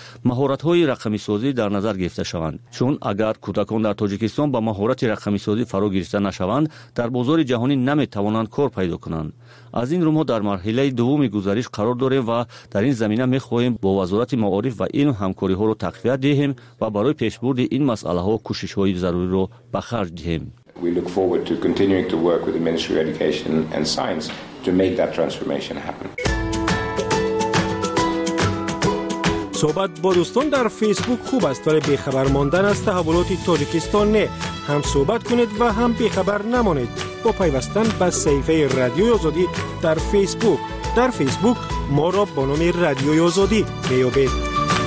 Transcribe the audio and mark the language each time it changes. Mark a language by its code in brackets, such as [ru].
[fa] مهارت های رقمی سازی در نظر گرفته شوند، چون اگر کودکان در تاجیکستان به مهارت رقمی سازی فرا گرفته نشوند، در بازار جهانی نمی توانند کار پیدا کنند. از این رو ما در مرحله دوم گزارش قرار داریم و در این زمینه می خواهیم با وزارت معارف و این همکاری ها را تقویت دهیم و برای پیشبرد این مسئله ها کوشش های ضروری را به خرج دهیم. [en] We look forward to continuing to work with the Ministry of Education and Science to make that transformation happen. [fa] صحبت با دوستان در فیسبوک خوب است، ولی بی‌خبر ماندن از تحولات تاجیکستان نه. هم صحبت کنید و هم بی‌خبر نمانید با پیوستن به صفحه رادیو آزادی در فیسبوک. در فیسبوک ما را با نام رادیو آزادی می‌یابید.